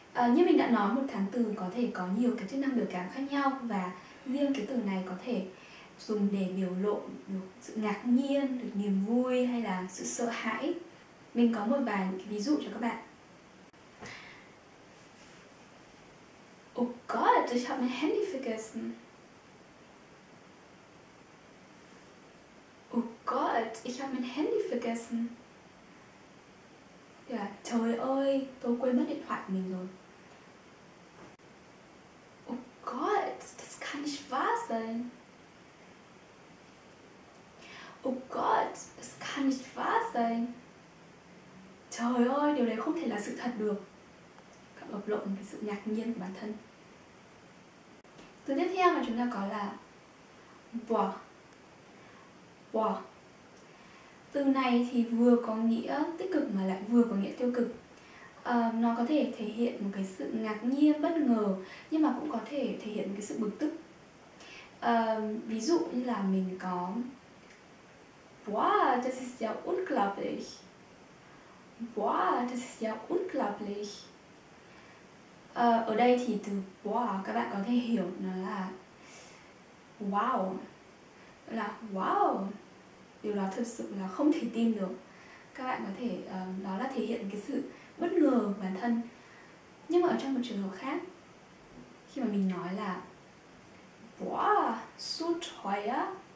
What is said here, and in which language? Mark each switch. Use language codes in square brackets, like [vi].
[vi] Như mình đã nói, một thán từ có thể có nhiều cái chức năng biểu cảm khác nhau và riêng cái từ này có thể dùng để biểu lộ được sự ngạc nhiên, được niềm vui hay là sự sợ hãi. Mình có một vài ví dụ cho các bạn. [de] Oh god, ich habe mein Handy vergessen. Gott, ich habe mein Handy vergessen. [vi] Ja, trời ơi, tôi quên mất điện thoại mình rồi. [de] Oh Gott, das kann nicht wahr sein. Oh Gott, das kann nicht wahr sein. [vi] Trời ơi, điều này không thể là sự thật được. Cảm bộc lộ một cái sự ngạc nhiên của bản thân. Từ tiếp theo mà chúng ta có là boah. Boah. Từ này thì vừa có nghĩa tích cực mà lại vừa có nghĩa tiêu cực. Nó có thể thể hiện một cái sự ngạc nhiên, bất ngờ, nhưng mà cũng có thể thể hiện một cái sự bực tức. Ví dụ như là mình có [de] wow, das ist ja unglaublich. Wow, das ist ja unglaublich. [vi] Ở đây thì từ wow các bạn có thể hiểu nó là wow. Là wow. Điều đó thật sự là không thể tin được. Các bạn có thể, đó là thể hiện cái sự bất ngờ của bản thân. Nhưng mà ở trong một trường hợp khác, khi mà mình nói là [de] wow, so teuer.